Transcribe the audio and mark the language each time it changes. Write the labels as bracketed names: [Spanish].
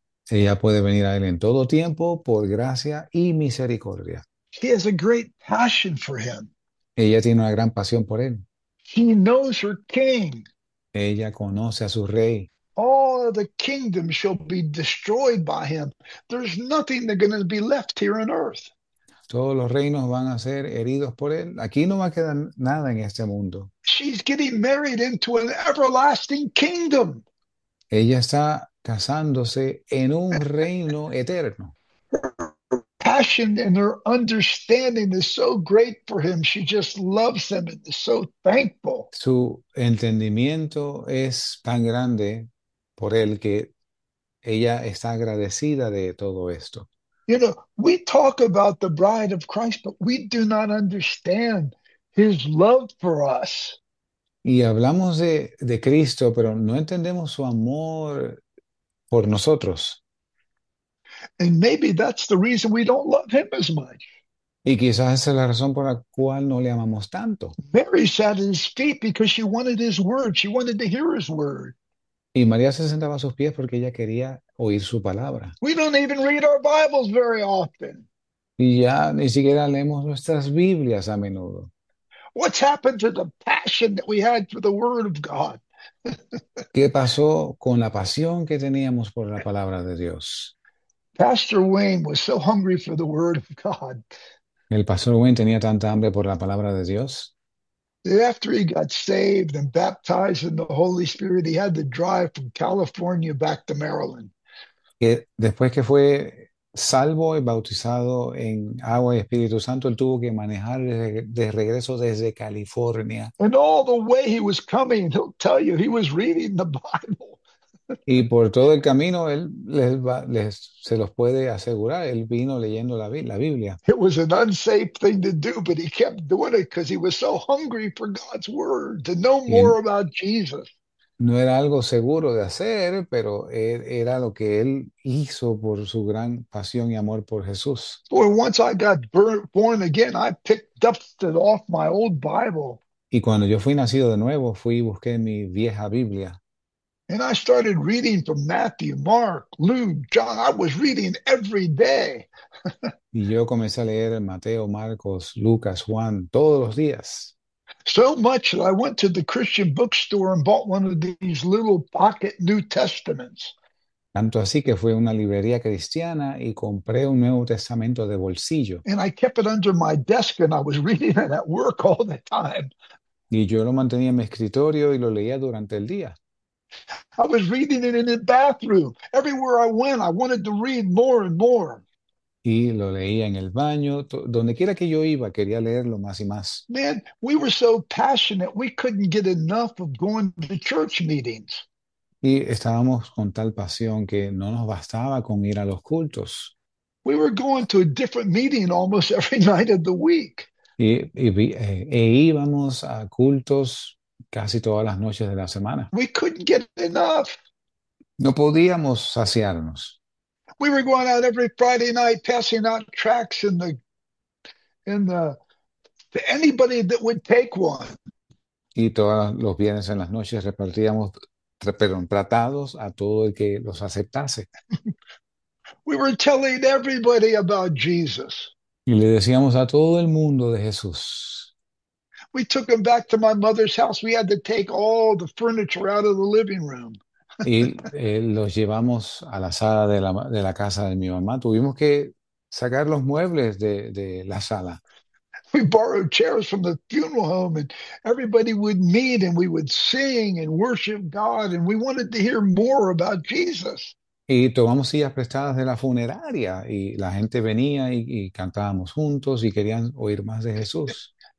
[Spanish] Ella puede venir a él en todo tiempo por gracia y misericordia. [English] She has a great passion for him. [Spanish] Ella tiene una gran pasión por él. [English] She knows her king. [Spanish] Ella conoce a su rey. [English] All the kingdoms shall be destroyed by him. There's nothing that's going to be left here on earth. [Spanish] Todos los reinos van a ser heridos por él. Aquí no va a quedar nada en este mundo. [English] She's getting married into an everlasting kingdom. [Spanish] Ella está casándose en un reino eterno. [English] passion and her understanding is so great for him. She just loves him and is so thankful. [Spanish] Su entendimiento es tan grande por él que ella está agradecida de todo esto. [English] You know, we talk about the bride of Christ, but we do not understand his love for us. [Spanish] Y hablamos de Cristo, pero no entendemos su amor por nosotros. [English] And maybe that's the reason we don't love him as much. [Spanish] Y quizás esa es la razón por la cual no le amamos tanto. [English] Mary sat at his feet because she wanted his word. She wanted to hear his word. [Spanish] Y María se sentaba a sus pies porque ella quería oír su palabra. [English] We don't even read our Bibles very often. [Spanish] Y ya ni siquiera leemos nuestras Biblias a menudo. [English] What's happened to the passion that we had for the word of God? [Spanish] ¿Qué pasó con la pasión que teníamos por la palabra de Dios? [English] Pastor Wayne was so hungry for the word of God. [Spanish] ¿El pastor Wayne tenía tanta hambre por la palabra de Dios? [English] After he got saved and baptized in the Holy Spirit, he had to drive from California back to Maryland. [Spanish] Que después que fue salvo y bautizado en agua y Espíritu Santo, él tuvo que manejar de regreso desde California. [English] And all the way he was coming, he'll tell you, he was reading the Bible. [Spanish] Y por todo el camino, él se los puede asegurar, él vino leyendo la Biblia. [English] It was an unsafe thing to do, but he kept doing it because he was so hungry for God's word to know [Spanish] Y [English] more about Jesus. [Spanish] no era algo seguro de hacer, pero era lo que él hizo por su gran pasión y amor por Jesús. [English] Boy, once I got born again, I picked dust off my old Bible. [Spanish] Y cuando yo fui nacido de nuevo, fui y busqué mi vieja Biblia. [English] And I started reading from Matthew, Mark, Luke, John. I was reading every day. [Spanish] Y yo comencé a leer Mateo, Marcos, Lucas, Juan, todos los días. [English] So much that I went to the Christian bookstore and bought one of these little pocket New Testaments. [Spanish] Tanto así que fui a una librería cristiana y compré un Nuevo Testamento de bolsillo. [English] And I kept it under my desk and I was reading it at work all the time. [Spanish] Y yo lo mantenía en mi escritorio y lo leía durante el día. [English] I was reading it in the bathroom. Everywhere I went, I wanted to read more and more. [Spanish] Y lo leía en el baño, donde quiera que yo iba, quería leerlo más y más. [English] Man, we were so passionate, we couldn't get enough of going to church meetings. [Spanish] Y estábamos con tal pasión que no nos bastaba con ir a los cultos. [English] We were going to a different meeting almost every night of the week. [Spanish] E íbamos a cultos casi todas las noches de la semana. [English] We couldn't get enough. [Spanish] No podíamos saciarnos. [English] We were going out every Friday night, passing out tracts in the to anybody that would take one. [Spanish] Y todos los viernes en las noches repartíamos, perdón, tratados a todo el que los aceptase. [English] We were telling everybody about Jesus. [Spanish] Y le decíamos a todo el mundo de Jesús. [English] We took him back to my mother's house. We had to take all the furniture out of the living room. [Spanish] Y los llevamos a la sala de la casa de mi mamá. Tuvimos que sacar los muebles de la sala. [English] We borrowed chairs from the funeral home and everybody would meet and we would sing and worship God and we wanted to hear more about Jesus. [Spanish] Y tomamos sillas prestadas de la funeraria y la gente venía y cantábamos juntos y querían oír más de Jesús.